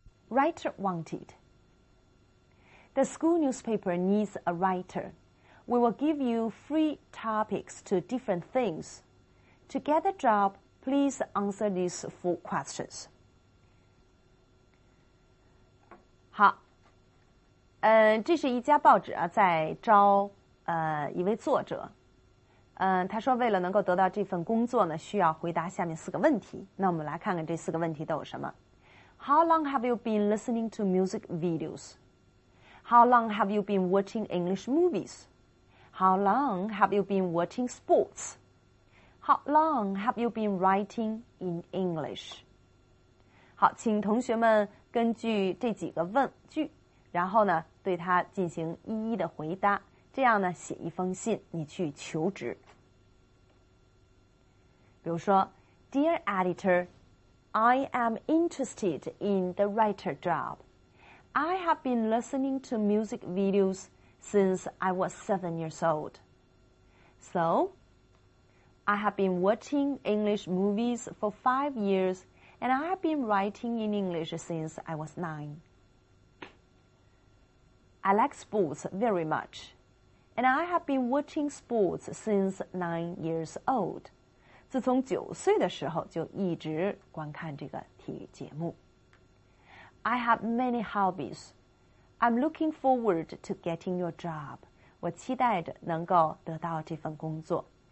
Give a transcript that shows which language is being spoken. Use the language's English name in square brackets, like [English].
[English] Writer wanted. The school newspaper needs a writer. We will give you free topics to different things. To get a job, please answer these four questions. [Chinese] 好，这是一家报纸啊，在招一位作者。他说为了能够得到这份工作呢，需要回答下面四个问题。那我们来看看这四个问题都有什么。 [English] How long have you been listening to music videos? How long have you been watching English movies? How long have you been watching sports? How long have you been writing in English? [Chinese] 好，请同学们根据这几个问句，然后呢，对它进行一一的回答，这样呢，写一封信，你去求职。比如说 [English] ,Dear Editor, I am interested in the writer job. I have been listening to music videos since I was 7 years old. So, I have been watching English movies for 5 years, and I have been writing in English since I was 9. I like sports very much, and I have been watching sports since 9 years old. [Chinese] 自从9岁的时候就一直观看这个体育节目。 [English] I have many hobbies. I'm looking forward to getting your job. [Chinese] 我期待着能够得到这份工作。